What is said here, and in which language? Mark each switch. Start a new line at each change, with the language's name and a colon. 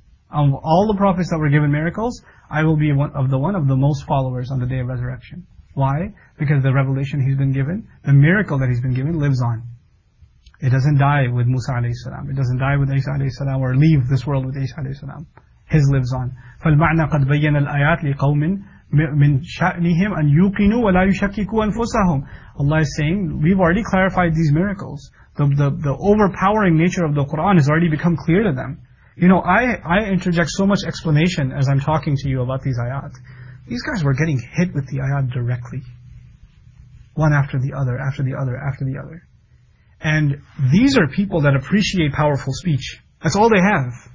English: Of all the prophets that were given miracles, I will be one of the most followers on the day of resurrection. Why? Because the revelation he's been given, the miracle that he's been given, lives on. It doesn't die with Musa alayhi salam. It doesn't die with Isa alayhi salam or leave this world with Isa alayhi salam. His lives on.
Arabic: فَالْمَعْنَى قَدْ بَيَّنَ الْآيَاتِ لِقَوْمٍ مِنْ شَأْنِهِمْ أَنْ يُوقِنُوا وَلَا يُشَكِّكُوا أَنفُسَهُمْ
English: Allah is saying, we've already clarified these miracles. The overpowering nature of the Quran has already become clear to them. You know, I interject so much explanation as I'm talking to you about these ayat. These guys were getting hit with the ayat directly. One after the other, after the other, after the other. And these are people that appreciate powerful speech. That's all they have.